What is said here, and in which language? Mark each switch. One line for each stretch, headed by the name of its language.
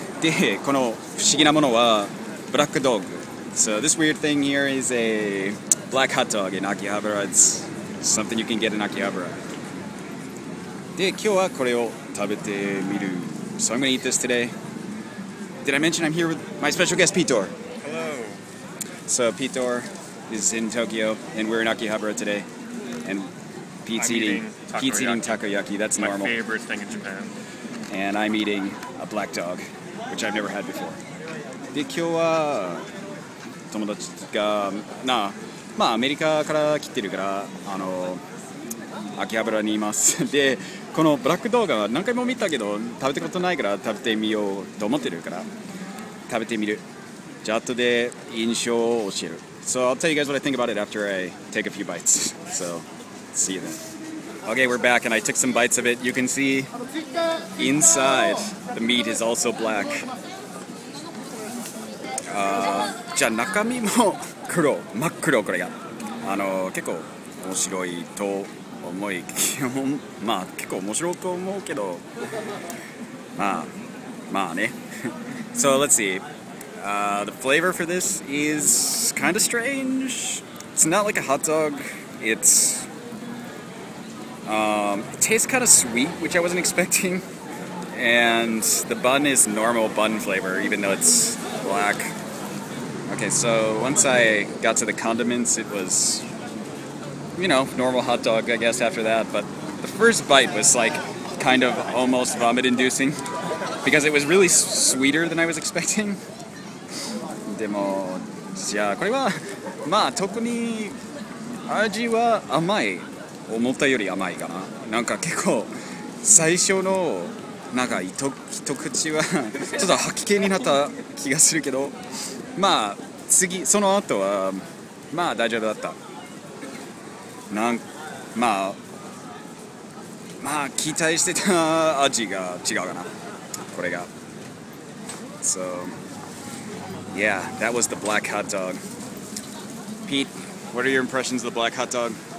Japanese: で、この不思議なものは、ブラックドッグ。
English: So this weird thing here is a black hot dog in Akihabara. It's something you can get in Akihabara.
Japanese: で、今日はこれを食べてみる。
English: So I'm gonna eat this today. Did I mention I'm here with my special guest, Pete Dorr? Hello. So Pete Dorr is in Tokyo, and we're in Akihabara today. And Pete's eating takoyaki, that's my normal. My favorite thing in Japan. And I'm eating a black dog, which I've never had before.
Japanese: で、今日は、友達が、なあ、まあ、アメリカから来てるから、あの、秋葉原にいます。で、このブラックドッグは何回も見たけど、食べたことないから食べてみようと思ってるから、食べてみる。じゃあ、後で印象を教える。
English: So I'll tell you guys what I think about it after I take a few bites. So... See you then. Okay, we're back and I took some bites of it. You can see inside the meat is also black.
Japanese: じゃあ中身も黒、真っ黒これが。あの、結構面白いと思い、まあ結構面白く思うけど、まあ、まあね。
English: So let's see. The flavor for this is kind of strange. It's not like a hot dog. It tastes kind of sweet, which I wasn't expecting. And the bun is normal bun flavor, even though it's black. Okay, so once I got to the condiments, it was, you know, normal hot dog, I guess, after that. But the first bite was, like, kind of almost vomit-inducing. Because it was really sweeter than I was expecting.
Japanese: でも、じゃあ、これは、まあ、特に味は甘い。思ったより甘いかな。なんか結構最初のなんか一口はちょっと吐き気になった気がするけど、まあ次その後はまあ大丈夫だった。なんまあまあ期待してた味が違うかな。これが。
English: So yeah, that was the black hot dog. Pete, what are your impressions of the black hot dog?